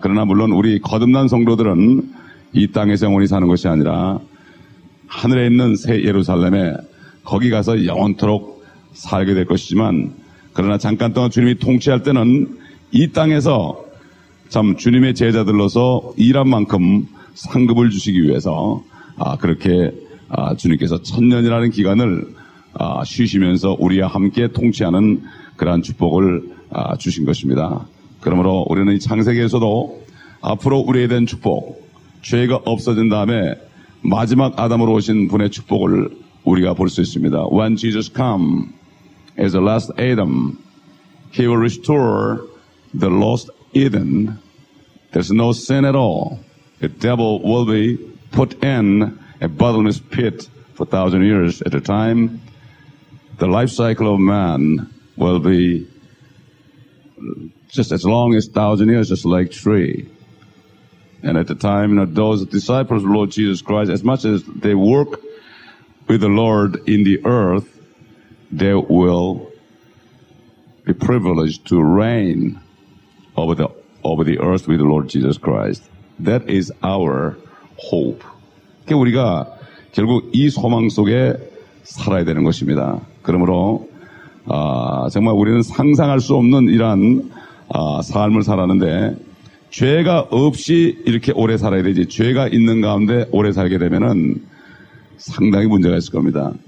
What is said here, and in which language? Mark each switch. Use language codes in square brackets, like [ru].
[ko] 그러나 물론 우리 거듭난 성도들은 이 땅에서 영원히 사는 것이 아니라 하늘에 있는 새 예루살렘에 거기 가서 영원토록 살게 될 것이지만, 그러나 잠깐 동안 주님이 통치할 때는 이 땅에서 참 주님의 제자들로서 일한 만큼 상급을 주시기 위해서 그렇게 주님께서 천년이라는 기간을 쉬시면서 우리와 함께 통치하는 그러한 축복을 주신 것입니다. 그러므로 우리는 이 창세기에서도 앞으로 우리에 대한 축복, 죄가 없어진 다음에 마지막 아담으로 오신 분의 축복을 우리가 볼 수 있습니다. [en] When Jesus comes as the last Adam, he will restore the lost Eden. There's no sin at all. The devil will be put in a bottomless pit for 1,000 years at a time. The life cycle of man will be just as long as 1,000 years, just like tree. And at the time, you know, those disciples of the Lord Jesus Christ, as much as they work with the Lord in the earth, they will be privileged to reign over the earth with the Lord Jesus Christ. That is our hope. [ko] 그게 우리가 결국 이 소망 속에 살아야 되는 것입니다. 그러므로 정말 우리는 상상할 수 없는 이러한 삶을 살았는데, 죄가 없이 이렇게 오래 살아야 되지, 죄가 있는 가운데 오래 살게 되면은 상당히 문제가 있을 겁니다.